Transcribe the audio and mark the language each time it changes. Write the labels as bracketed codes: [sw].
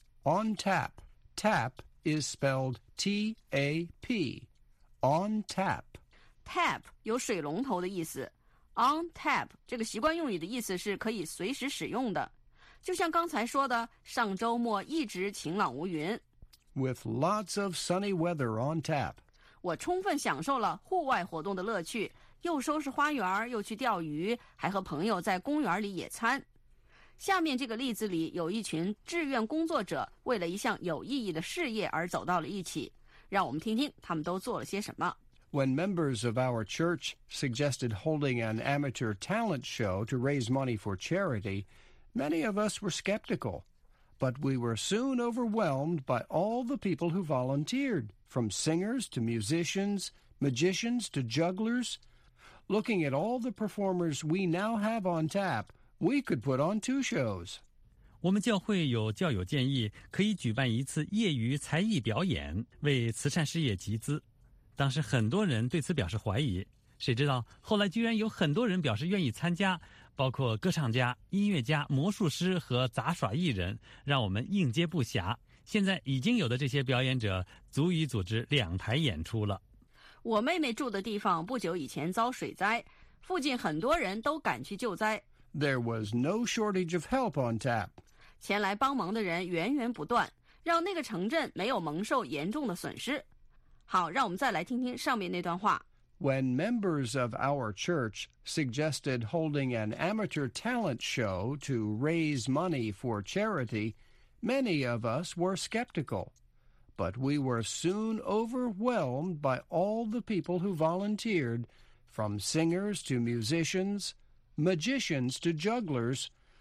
[en] On tap. Tap is spelled T-A-P. On tap. [zh] Tap 有水龙头的意思。On tap 这个习惯用语的意思是可以随时使用的。就像刚才说的，上周末一直晴朗无云。 [en] With lots of sunny weather on tap. [zh] 我充分享受了户外活动的乐趣，又收拾花园，又去钓鱼，还和朋友在公园里野餐。下面这个例子里有一群志愿工作者为了一项有意义的事业而走到了一起。让我们听听他们都做了些什么。 [en] When members of our church suggested holding an amateur talent show to raise money for charity,Many of us were skeptical, but we were soon overwhelmed by all the people who volunteered, from singers to musicians, magicians to jugglers. Looking at all the performers we now have on tap, we could put on two shows. [zh] 我们教会有教友建议可以举办一次业余才艺表演，为慈善事业集资。当时很多人对此表示怀疑，谁知道后来居然有很多人表示愿意参加。包括歌唱家、音乐家、魔术师和杂耍艺人，让我们应接不暇。现在已经有的这些表演者足以组织两台演出了。我妹妹住的地方不久以前遭水灾，附近很多人都赶去救灾。 [en] There was no shortage of help on tap. [zh] 前来帮忙的人源源不断，让那个城镇没有蒙受严重的损失。好，让我们再来听听上面那段话。 [en] When members of our church suggested holding an amateur talent show to raise money for charity, many of us were skeptical. But we were soon overwhelmed by all the people who volunteered, from singers to musicians, magicians to jugglers.